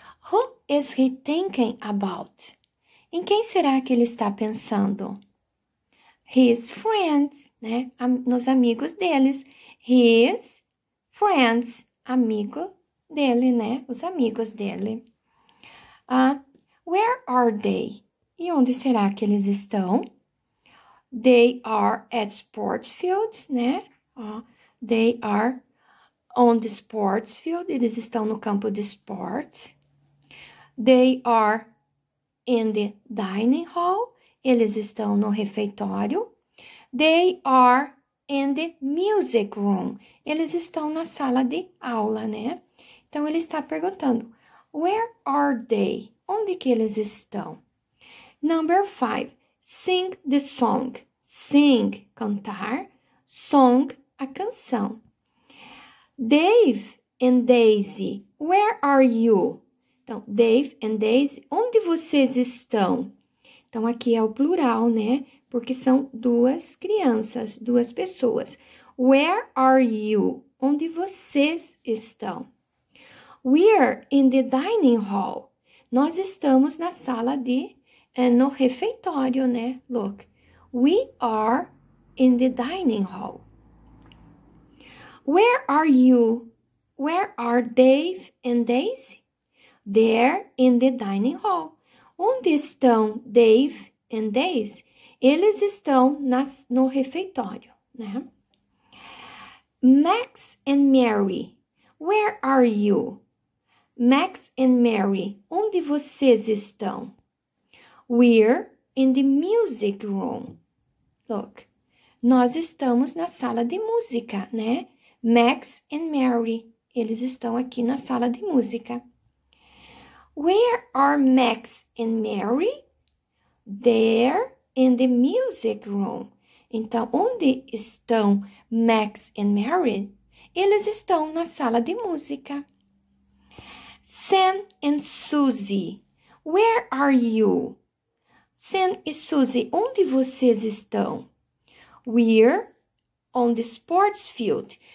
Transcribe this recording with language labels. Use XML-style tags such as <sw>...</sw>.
<en>Who is he thinking about?</en> <pt>Em quem será que ele está pensando?</pt> <en>His friends,</en> <pt>né? Nos amigos deles.</pt> <en>His friends,</en> <pt>amigo dele, né? Os amigos dele.</pt> <en>Where are they?</en> <pt>E onde será que eles estão?</pt> <en>They are at sports fields, né? They are on the sports field.</en> <pt>Eles estão no campo de esporte.</pt> <en>They are in the dining hall.</en> <pt>Eles estão no refeitório.</pt> <en>They are in the music room.</en> <pt>Eles estão na sala de aula, né? Então, ele está perguntando,</pt> <en>where are they?</en> <pt>Onde que eles estão?</pt> <en>Number 5, sing the song.</en> <pt>Sing, cantar. Song, a canção.</pt> <en>Dave and Daisy, where are you?</en> <pt>Então, Dave and Daisy, onde vocês estão? Então, aqui é o plural, né? Porque são duas crianças, duas pessoas.</pt> <en>Where are you?</en> <pt>Onde vocês estão?</pt> <en>We're in the dining hall.</en> <pt>Nós estamos na sala de, no refeitório, né?</pt> <en>Look. We are in the dining hall. Where are you? Where are Dave and Daisy? They're in the dining hall.</en> <pt>Onde estão Dave and Daisy? Eles estão no refeitório, né?</pt> <en>Max and Mary, where are you?</en> <pt>Max and Mary, onde vocês estão?</pt> <en>We're in the music room. Look,</en> <pt>nós estamos na sala de música, né? Max and Mary, eles estão aqui na sala de música.</pt> <en>Where are Max and Mary? They're in the music room.</en> <pt>Então, onde estão Max and Mary? Eles estão na sala de música.</pt> <en>Sam and Susie, where are you?</en> <pt>Sam e Susie, onde vocês estão?</pt> <en>We're on the sports field.</en>